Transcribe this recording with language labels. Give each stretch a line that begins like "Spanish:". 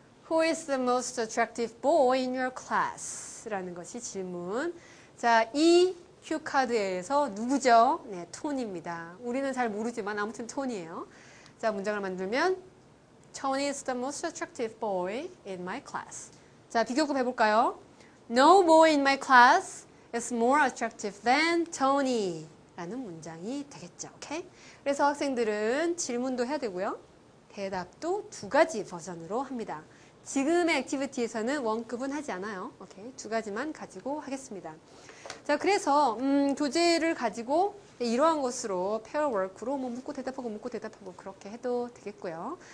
English: Who is the most attractive boy in your class?
Korean: 라는 것이 질문. 자, 이 Q 카드에서 누구죠? 네, 톤입니다. 우리는 잘 모르지만 아무튼 톤이에요. 자, 문장을 만들면
English: Tony is the most attractive boy in my class.
Korean: 자, 비교급 해볼까요?
English: No boy in my class is more attractive than Tony.
Korean: 라는 문장이 되겠죠. 오케이? 그래서 학생들은 질문도 해야 되고요. 대답도 두 가지 버전으로 합니다. 지금의 액티비티에서는 원급은 하지 않아요. 오케이? 두 가지만 가지고 하겠습니다. 자, 그래서 교재를 가지고 이러한 것으로 페어 워크로 뭐 묻고 대답하고 그렇게 해도 되겠고요.